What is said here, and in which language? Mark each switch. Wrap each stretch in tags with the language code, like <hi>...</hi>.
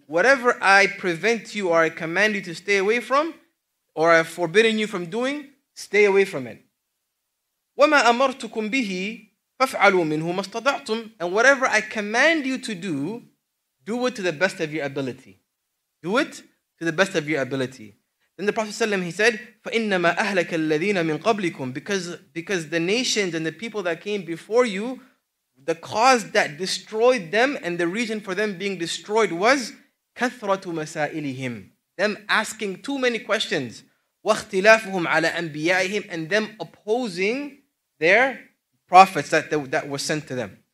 <en>Whatever I prevent you or I command you to stay away from, or I have forbidden you from doing, stay away from it.</en> <ar>وَمَا أَمَرْتُكُمْ بِهِ فَافْعَلُوا مِنْهُ مَا اسْتَطَعْتُمْ.</ar> <en>And whatever I command you to do, do it to the best of your ability. Do it to the best of your ability. Then the Prophet ﷺ, he said,</en> <ar>فَإِنَّمَا أَهْلَكَ الَّذِينَ مِنْ قَبْلِكُمْ.</ar> <en>Because the nations and the people that came before you, the cause that destroyed them and the reason for them being destroyed was</en> <ar>كَثْرَةُ مَسَائِلِهِمْ,</ar> <en>them asking too many questions,</en> <ar>وَاخْتِلَافُهُمْ عَلَىٰ أَنْبِيَائِهِمْ,</ar> <en>and them opposing their prophets that were sent to them.</en>